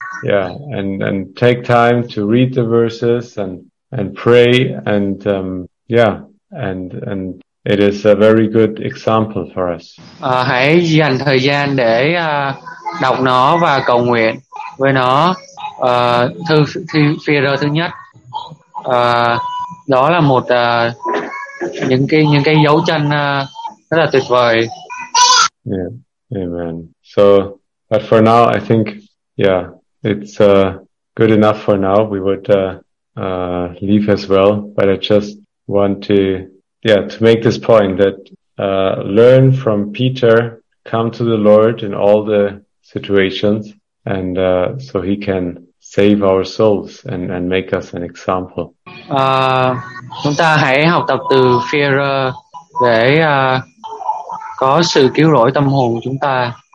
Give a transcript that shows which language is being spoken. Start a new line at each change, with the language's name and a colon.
English: Yeah, and take time to read the verses and pray and yeah, and it is a very good example for us.
Vietnamese: Hãy dành thời gian để đọc nó và cầu nguyện với nó. Thư Phi-e-rơ thứ nhất. Đó là một những cái dấu chân rất là tuyệt vời.
English: Yeah. Amen. So, but for now I think yeah, it's good enough for now. We would leave as well, but I just want to yeah, to make this point that learn from Peter, come to the Lord in all the situations and so he can save our souls and make us an example.
Vietnamese: Chúng ta hãy học tập từ Phi-e-rơ để có sự cứu rỗi tâm hồn của chúng ta.